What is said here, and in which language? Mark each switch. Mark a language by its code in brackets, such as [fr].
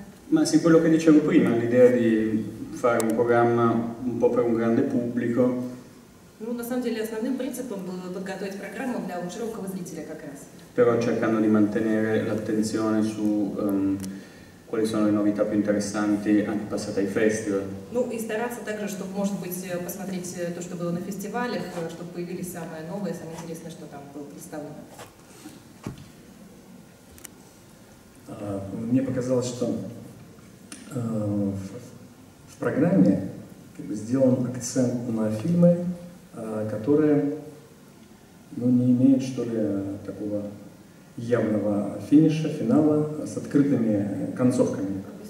[it] Ma sì, quello che dicevo prima, l'idea di fare un programma un po' per un grande pubblico. [ru] Ну, на самом деле, основным принципом было подготовить программу для широкого зрителя как раз. [it] Però cercando di mantenere l'attenzione su quali sono le novità più interessanti anche passate ai festival. [ru] Ну, и стараться также, чтобы, может быть, посмотреть то, что было на фестивалях, чтобы появились самые новые, самое интересное, что там было представлено. Мне показалось, что в программе как бы сделан акцент на фильмы, которые не имеют что ли такого явного финиша, финала с открытыми концовками.